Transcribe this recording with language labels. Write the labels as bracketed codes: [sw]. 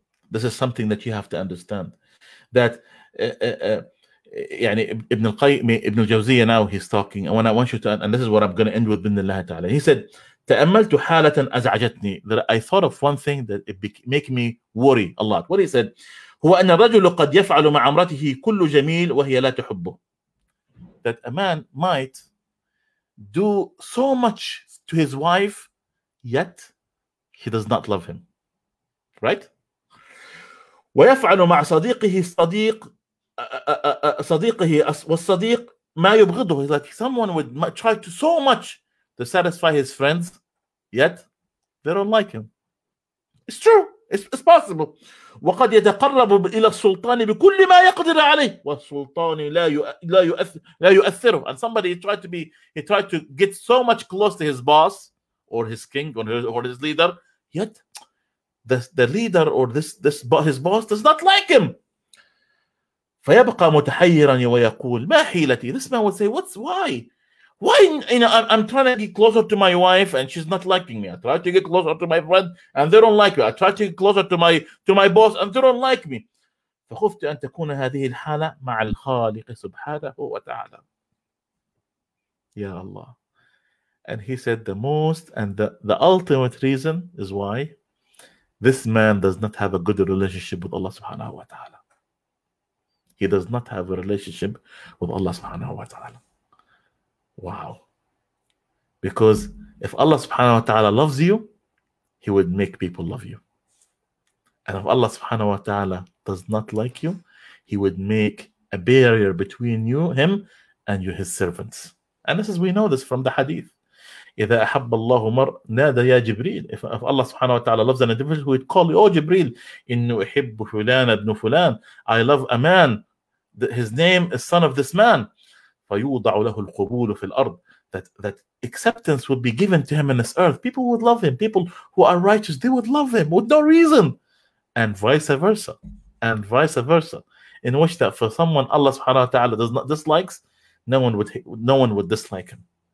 [en] This is something that you have to understand, that Ibn al-Qayyim, Ibn al-Jawziyyah, now he's talking, and this is what I'm going to end with, bismillah ta'ala. He said, [ar] تأملت حالة أزعجتني, [en] that I thought of one thing that it make me worry a lot. What he said, [ar] هو أن الرجل قد يفعل مع امرأته كل جميل وهي لا تحبه. [en] That a man might do so much to his wife, yet he does not love him. Right? [ar] ويفعل مع صديقه صديق صديقه والصديق ما يبغضه. [en] He's like, someone would try to so much to satisfy his friends, yet they don't like him. It's true. It's possible. [ar] وقد يتقرب إلى السلطان بكل ما يقدر عليه والسلطان لا يؤثره. [en] And somebody tried to get so much close to his boss or his king or his leader, yet the leader or his boss does not like him. ف [ar] فيبقى متحيرا ويقول ما حيلتي. [en] This man would say, what's why? Why, you know, I'm trying to get closer to my wife and she's not liking me. I try to get closer to my friend and they don't like me. I try to get closer to my boss and they don't like me. [ar] فخفت أن تكون هذه الحالة مع الخالق سبحانه وتعالى. يا الله. [en] And he said the most and the ultimate reason is why this man does not have a good relationship with Allah subhanahu wa ta'ala. He does not have a relationship with Allah subhanahu wa ta'ala. Wow. Because if Allah subhanahu wa ta'ala loves you, he would make people love you. And if Allah subhanahu wa ta'ala does not like you, he would make a barrier between you, him, and you, his servants. And this is, we know this from the hadith. [ar] إذا أحب الله مر نادى يا جبريل. [en] If Allah subhanahu wa ta'ala loves an individual, he would call you, oh Jibreel, [ar] إنه أحب فلان ابن فلان. [en] I love a man. His name is son of this man. [ar] فيوضع له القبول في الأرض. [en] That acceptance would be given to him in this earth. People would love him. People who are righteous, they would love him with no reason. And vice versa. In which that for someone Allah subhanahu wa ta'ala does not dislikes, no one would dislike him.